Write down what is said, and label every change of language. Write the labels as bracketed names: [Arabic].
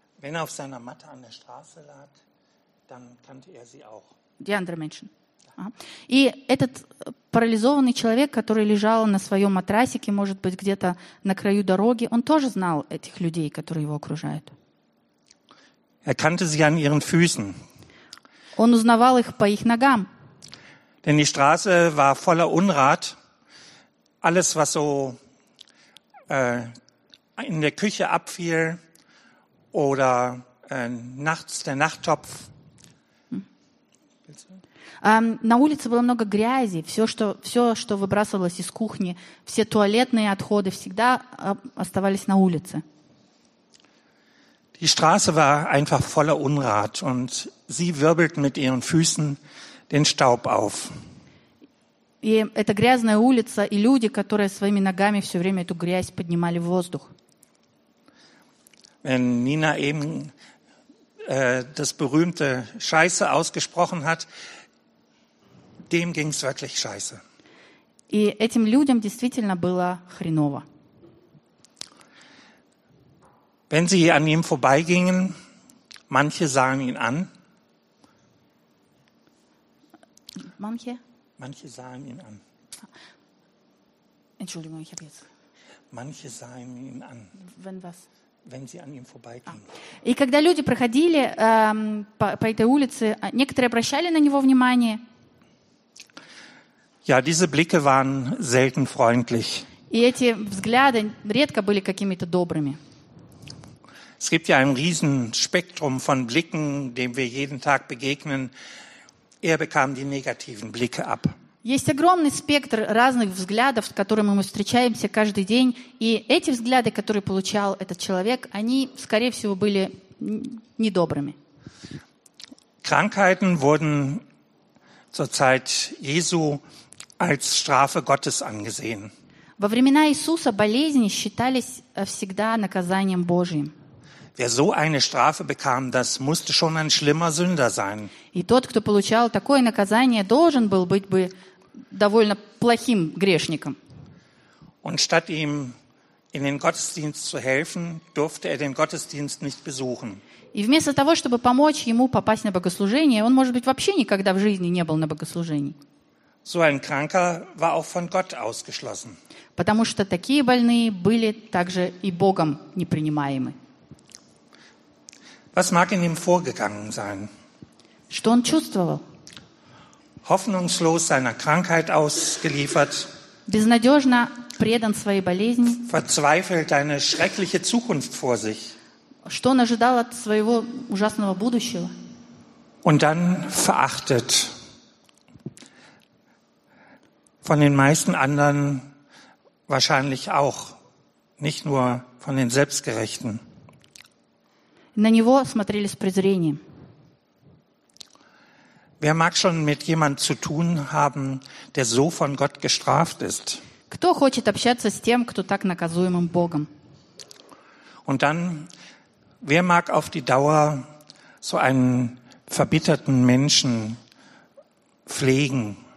[German] Wenn er auf seiner Matte an der Straße lag, dann kannte er sie auch. Die anderen Menschen. [Russian] И этот парализованный человек, который лежал на своем матрасике, может быть, где-то на краю дороги, он тоже знал этих людей, которые его окружают. [German] Er kannte sie an ihren Füßen. [Russian] Он узнавал их по их ногам. [German] Denn die Straße war voller Unrat. Alles, was so in der Küche abfiel oder nachts der Nachttopf. [Russian] На улице было много грязи, все, что выбрасывалось из кухни, все туалетные отходы всегда оставались на улице. [German] Die Straße war einfach voller Unrat und sie wirbelten mit ihren Füßen den Staub auf. [Russian] И эта грязная улица и люди, которые своими ногами все время эту грязь поднимали в воздух. [German] Wenn Nina eben das berühmte Scheiße ausgesprochen hat, dem ging's wirklich scheiße. [Russian] И этим людям действительно было хреново. [German] Wenn sie an ihm vorbeigingen, manche sahen ihn an. Manche? Manche sahen ihn an. Entschuldigung, ich habe jetzt. Manche sahen ihn an. Wenn was? Wenn sie an ihm vorbeigingen. [Russian] И когда люди проходили по этой улице, некоторые обращали на него внимание. [German] Ja, diese Blicke waren selten freundlich. [Russian] И эти взгляды редко были какими-то добрыми. [German] Es gibt ja ein riesen Spektrum von Blicken, dem wir jeden Tag begegnen. Er bekam die negativen Blicke ab. [Russian] Есть огромный спектр разных взглядов, с которыми мы встречаемся каждый день, и эти взгляды, которые получал этот человек, они, скорее всего, были недобрыми. [German] Krankheiten wurden zur Zeit Jesu als Strafe Gottes angesehen. [Russian] Во времена Иисуса болезни считались всегда наказанием Божьим. [German] Wer so eine Strafe bekam, das musste schon ein schlimmer Sünder sein. [Russian] И тот, кто получал такое наказание, должен был быть бы довольно плохим грешником. [German] Und statt ihm in den Gottesdienst zu helfen, durfte er den Gottesdienst nicht besuchen. [Russian] И вместо того, чтобы помочь ему попасть на богослужение, он, может быть, вообще никогда в жизни не был на богослужении. [German] So ein Kranker war auch von Gott ausgeschlossen. [Russian] Потому что такие больные были также и Богом непринимаемы. [German] Was mag in ihm vorgegangen sein? [Russian] Что он чувствовал? [German] Hoffnungslos seiner Krankheit ausgeliefert. [Russian] Безнадежно предан своей болезни. [German] Verzweifelt eine schreckliche Zukunft vor sich. [Russian] Что он ожидал от своего ужасного будущего? [German] Und dann verachtet. Von den meisten anderen wahrscheinlich auch. Nicht nur von den Selbstgerechten. [Russian] На него смотрели с презрением. [German] Wer mag schon mit jemandem zu tun haben, der so von Gott gestraft ist? [Russian] Кто хочет общаться с тем, кто так наказуемым Богом? [German] Und dann, wer mag auf die Dauer so einen verbitterten Menschen pflegen?